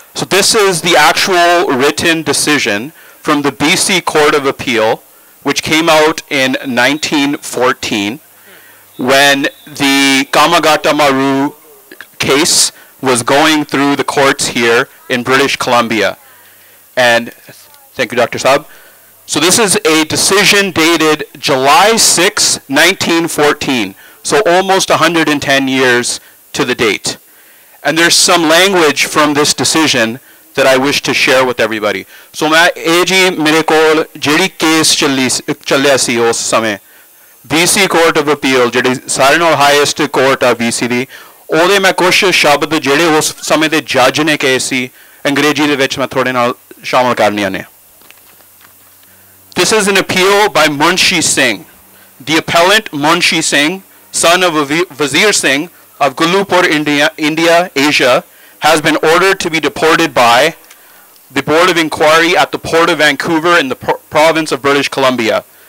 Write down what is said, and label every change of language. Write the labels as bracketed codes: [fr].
[en] So this is the actual written decision from the B C court of appeal which came out in 1914 when the Komagata Maru case was going through the courts here in British Columbia and Thank you, Dr. Saab. So this is a decision dated July 6, 1914. So almost 110 years to the date. And there's some language from this decision that I wish to share with everybody. [pa] ਸੋ ਮੈਂ AG ਮੇਰੇ ਕੋਲ ਜਿਹੜੀ case ਚੱਲਿਆ ਸੀ ਉਸ ਸਮੇਂ BC Court of Appeal ਜਿਹੜੀ ਸਾਰੇ ਨਾਲ highest court of BC ਦੀ ਓਹਦੇ ਮੈਂ ਕੁਛ ਸ਼ਬਦ ਜਿਹੜੇ ਉਸ ਸਮੇਂ ਦੇ judge ਨੇ ਕਹੇ ਸੀ ਅੰਗਰੇਜ਼ੀ ਦੇ ਵਿਚ ਮੈਂ ਥੋੜ੍ਹੇ ਨਾਲ ਸ਼ਾਮਿਲ ਕਰਨੀਆਂ ਨੇ. [en] This is an appeal by Munshi Singh, the appellant Munshi Singh, son of Vazir Singh of Gulupur, India, Asia, has been ordered to be deported by the Board of Inquiry at the Port of Vancouver in the province of British Columbia.